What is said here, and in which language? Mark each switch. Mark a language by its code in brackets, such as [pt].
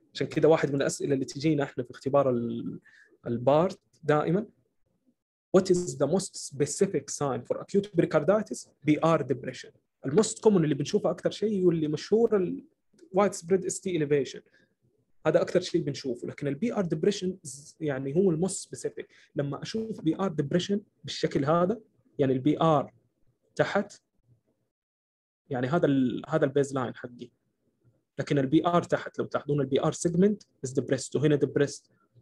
[ar] عشان كده واحد من الاسئله اللي تجينا احنا في اختبار البارت دائما, [en] what is the most specific sign for acute pericarditis? [ar] PR depression. [en] The most common [ar] اللي بنشوفه أكثر شيء واللي مشهور ال widespread ST elevation. هذا أكثر شيء بنشوفه. لكن ال PR depression يعني هو [en] the most specific. [ar] لما أشوف PR depression بالشكل هذا, يعني ال PR تحت, يعني هذا ال baseline حقي. لكن ال PR تحت لو تاخذون ال [en] PR segment is depressed [ar] وهنا depressed.